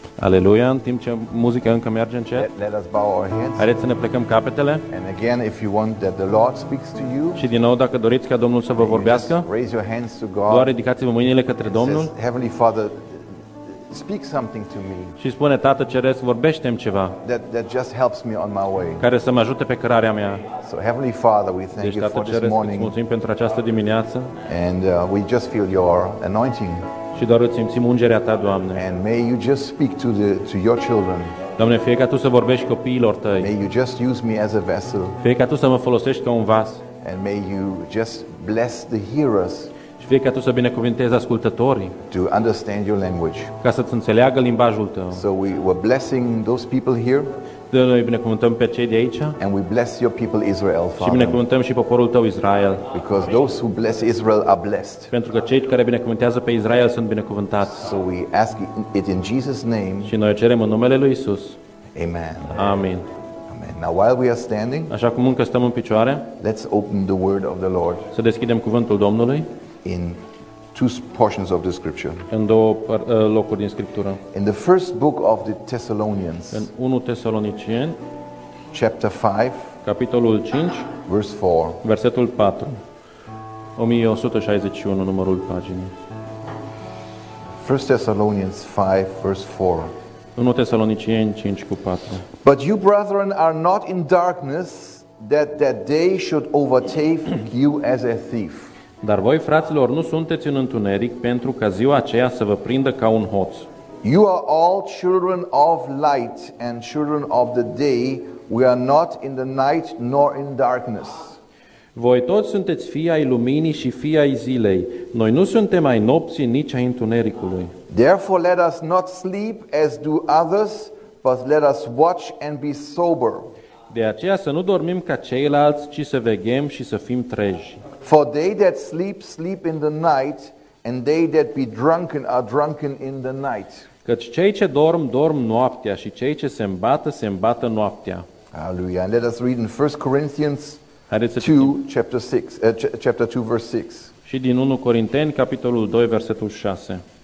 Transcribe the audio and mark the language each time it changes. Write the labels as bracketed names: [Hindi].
[Romanian] Aleluia, în timp ce muzica încă merge încet. [English] Let us bow our heads. [Romanian] Haideți să ne plecăm capetele. [English] And again, if you want that the Lord speaks to you. [Romanian] Și din nou, dacă doriți ca Domnul să vă vorbească. [English] Raise your hands to God. [Romanian] Doar ridicați-vă mâinile către Domnul. [English] Heavenly Father, speak something to me. [Romanian] Și spune, Tată Ceresc, vorbește-mi ceva. [English] That just helps me on my way. [Romanian] Care să mă ajute pe cărarea mea. [English] So Heavenly Father, we thank you for this morning. [Romanian] Mulțumim pentru această dimineață. [English] And we just feel your anointing. [Romanian] Și doar îți simțim ungerea ta, Doamne. [English] And may you just speak to your children. [Romanian] Doamne, fie ca tu să vorbești copiilor tăi. [English] May you just use me as a vessel. [Romanian] Fie ca tu să mă folosești ca un vas. [English] And may you just bless the hearers. [Romanian] Și fie ca tu să binecuvintezi ascultătorii. [English] To understand your language. [Romanian] Ca să-ți înțeleagă limbajul tău. [English] So we were blessing those people here. [Romanian] Noi binecuvântăm pe cei de aici. [English] And we bless your people Israel, Father. [Romanian] Și binecuvântăm și poporul tău Israel. [English] Because those who bless Israel are blessed. [Romanian] Pentru că cei care binecuvântează pe Israel sunt binecuvântați. [English] So we ask it in Jesus' name. [Romanian] Și noi cerem în numele lui Isus. Amen. Amen. Amen. [English] Now while we are standing, [Romanian] așa cum încă stăm în picioare, [English] let's open the word of the Lord. [Romanian] Să deschidem cuvântul Domnului. [English] In two portions of the scripture. [Romanian] În două locuri din scriptură. [English] In the first book of the Thessalonians. [Romanian] În 1 Tesalonicieni, [English] chapter 5, [Romanian] capitolul 5, [English] verse 4. [Romanian] Versetul 4. 1161 numărul paginii. [English] First Thessalonians 5 verse 4. [Romanian] 1 Tesalonicieni 5:4. [English] But you brethren are not in darkness that day should overtake you as a thief. [Romanian] Dar voi, fraților, nu sunteți în întuneric pentru ca ziua aceea să vă prindă ca un hoț. [English] You are all children of light and children of the day. We are not in the night nor in darkness. [Romanian] Voi toți sunteți fii ai luminii și fii ai zilei. Noi nu suntem ai nopții nici ai întunericului. [English] Therefore let us not sleep as do others, but let us watch and be sober. [Romanian] De aceea să nu dormim ca ceilalți, ci să veghem și să fim treji. [English] For they that sleep, sleep in the night, and they that be drunken are drunken in the night. [Romanian] Căci cei ce dorm, dorm noaptea, și cei ce se îmbată, se îmbată noaptea. [English] Hallelujah. And let us read in 1 Corinthians 2, chapter 6, chapter 2, verse 6. [Romanian] Și din 1 Corinteni, capitolul 2, versetul 6.